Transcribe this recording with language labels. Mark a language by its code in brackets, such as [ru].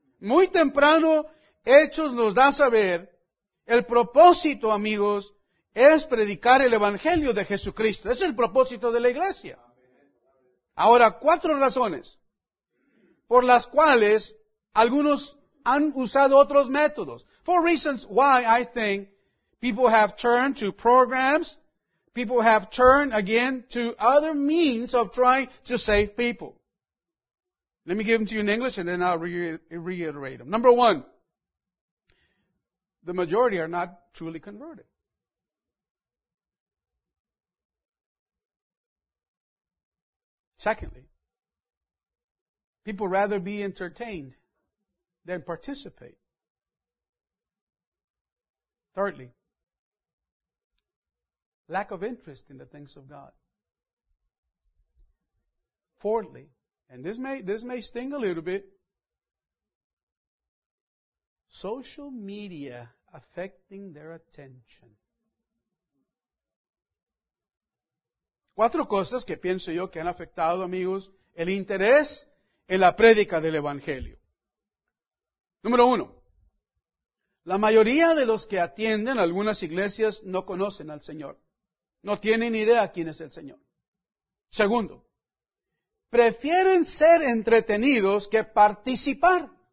[es] Muy temprano, Hechos nos da a saber, el propósito, amigos, es predicar el Evangelio de Jesucristo. Ese es el propósito de la iglesia. Ahora, cuatro razones por las cuales algunos han usado otros métodos. [en] Four reasons why I think people have turned to programs, people have turned again to other means of trying to save people. Let me give them to you in English and then I'll reiterate them. Number one, the majority are not truly converted. Secondly, people rather be entertained than participate. Thirdly, lack of interest in the things of God. Fourthly, and this may sting a little bit, social media affecting their attention. [es] Cuatro cosas que pienso yo que han afectado, amigos, el interés en la prédica del Evangelio. Número uno, la mayoría de los que atienden algunas iglesias no conocen al Señor. No tienen idea quién es el Señor. Segundo, prefieren ser entretenidos que participar.